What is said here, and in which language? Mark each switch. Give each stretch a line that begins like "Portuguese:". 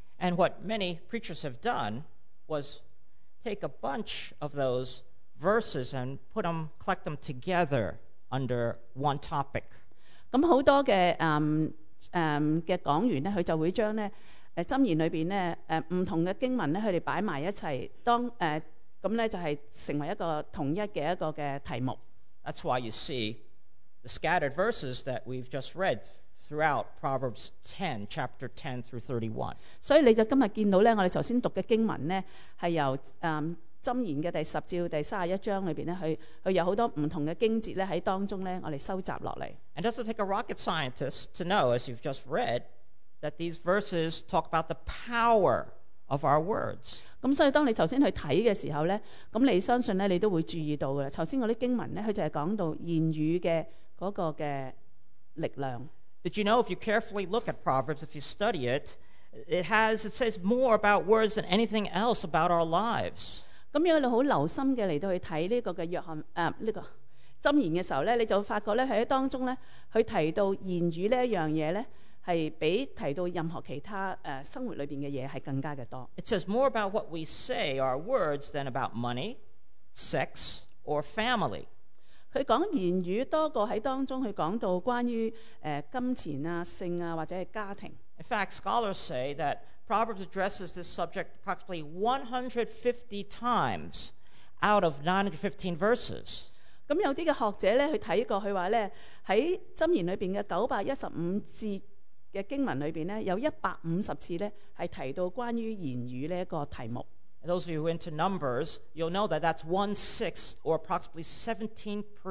English: And what many preachers have done was take a bunch of those verses and collect them together under one topic.
Cantonese: 咁好多嘅嘅講員咧，佢就會將咧箴言裏邊咧唔同嘅經文咧，佢哋擺埋一齊，當咁咧就係成為一個統一嘅一個嘅題目。
English: That's why you see the scattered verses that we've just read throughout Proverbs 10, chapter 10 through 31.
Cantonese: 所以你就今日見到咧，我哋首先讀嘅經文咧，係由箴言嘅第十至第三十一章裏邊咧，佢有好多唔同嘅經節咧喺當中咧，我哋收集落嚟。
English: And doesn't take a rocket scientist to know, as you've just read, that these verses talk about the power of our words.
Cantonese: 咁所以當你頭先去睇嘅時候咧，咁你相信咧，你都會注意到嘅。頭先嗰啲經文咧，佢就係講到言語嘅嗰個嘅力量。
English: Did you know if you carefully look at Proverbs, if you study it, it says more about words than anything else about our lives.
Cantonese: 咁如果你好留心嘅嚟到去睇呢個嘅約翰呢個箴言嘅時候咧，你就發覺咧喺當中咧，佢提到言語呢一樣嘢咧。係比提到任何其他生活裏邊嘅嘢係更加嘅多。
English: It says more about what we say, our words, than about money, sex, or family.
Cantonese: 佢講言語多過喺當中佢講到關於金錢啊、性啊或者係家庭。
English: In fact, scholars say that Proverbs addresses this subject approximately 150 times out of 915 verses.
Cantonese: 咁有啲嘅學者咧，佢睇過佢話咧喺箴言裏邊嘅915節。嘅經文裏邊咧，有150次咧係提到關於言語呢一個題目。
English: Those of you who are into numbers, you'll know that that's 1/6 or approximately 17%.